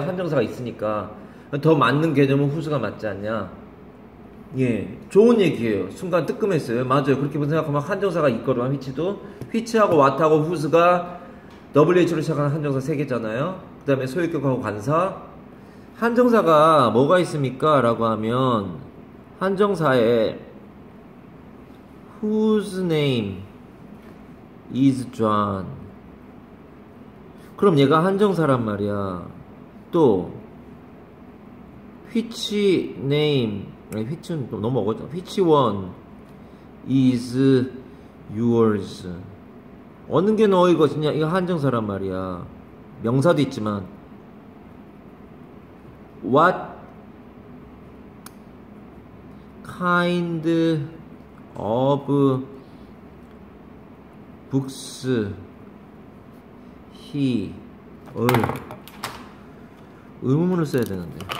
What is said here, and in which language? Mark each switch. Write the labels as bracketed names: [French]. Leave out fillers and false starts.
[Korean] 한정사가 있으니까. 더 맞는 개념은 후수가 맞지 않냐. 예. 좋은 얘기예요. 순간 뜨끔했어요. 맞아요. 그렇게 생각하면 한정사가 있거든, 휘치도. 휘치하고 왓하고 후수가 WH로 시작하는 한정사 세 개잖아요. 그 다음에 소유격하고 관사. 한정사가 뭐가 있습니까? 라고 하면 한정사에 [English] Whose name is John? [Korean] 그럼 얘가 한정사란 말이야. 또, which name, 아니, which는 너무 어거지. [English] Which one is yours. [Korean] 어느 게 너의 것이냐? 이거 한정사란 말이야. 명사도 있지만, [English] what kind of books he [Korean] 의문문을 써야 되는데.